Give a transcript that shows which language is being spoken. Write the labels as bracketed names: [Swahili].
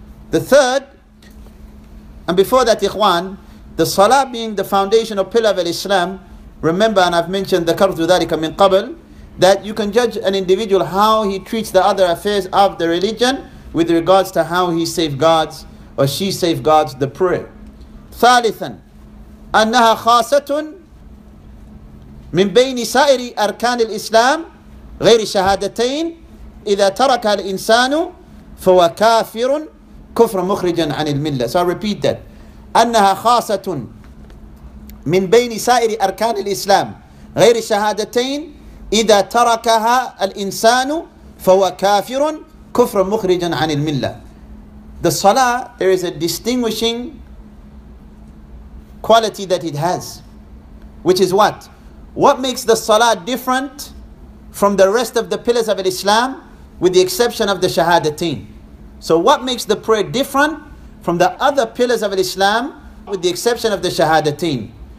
[English] The third, and before that, ikhwan, the Salah being the foundation or pillar of Islam, remember, and I've mentioned the [Arabic] Kardu Dharika min Qabl, [English] that you can judge an individual how he treats the other affairs of the religion with regards to how he safeguards or she safeguards the prayer. [Arabic] Thalithan, أَنَّهَا خَاسَةٌ مِنْ بَيْنِ سَائِرِ أَرْكَانِ الْإِسْلَامِ غَيْرِ شَهَادَتَيْنِ إِذَا تَرَكَ الْإِنسَانُ فَوَ كَافِرٌ كُفْرًا مُخْرِجًا عَنِ الْمِلَّةِ. [English] So I repeat that. [Arabic] أنها خاصة من بين سائر أركان الإسلام غير الشهادتين إذا تركها الإنسان فهو كافر كفر مخرج عن الملة. [English] The Salah, there is a distinguishing quality that it has, which is what? What makes the Salah different from the rest of the pillars of Islam with the exception of the shahadatain? So what makes the prayer different from the other pillars of Islam with the exception of the shahadatain?